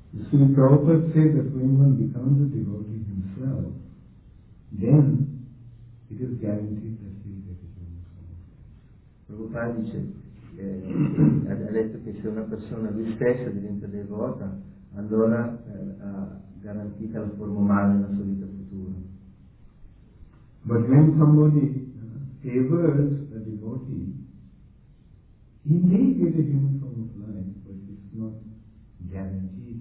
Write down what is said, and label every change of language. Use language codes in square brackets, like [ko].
[en] See, Prabhupada says that when one becomes a devotee himself, then it is guaranteed that he will get his own form. [it] Prabhupada dice, ha detto che se una persona lui stessa diventa devota, allora ha garantita la forma umana nella sua vita futura. [en] But when somebody favors a devotee, he may get a human form of life, but it's not guaranteed.